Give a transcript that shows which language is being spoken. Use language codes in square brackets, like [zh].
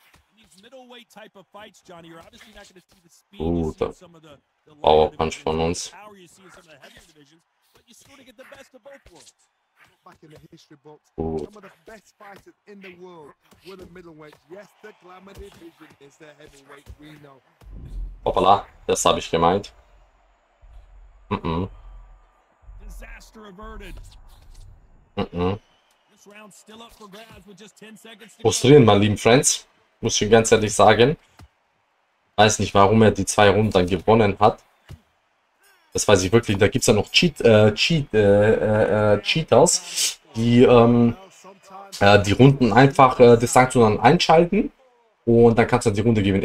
[en] In these middleweight type of fights, Johnny, you're obviously not going to see the speed of some of the power punch from us. Power you see in some of the heavier divisions, but you sort of get the best of both worlds. Back in the history books, some of the best fighters in the world were the middleweights. Yes, the glamour division is the heavyweight, we know. [de] Hoppala, das habe ich gemeint. [en] Disaster averted. This round still up for grabs with just 10 seconds to go. [de] Frustrierend, meine lieben Friends. Muss ich ganz ehrlich sagen. Weiß nicht, warum er die zwei Runden dann gewonnen hat. Das weiß ich wirklich. Da gibt es ja noch Cheaters, die die Runden einfach das sagst du dann einschalten und dann kannst du die Runde gewinnen.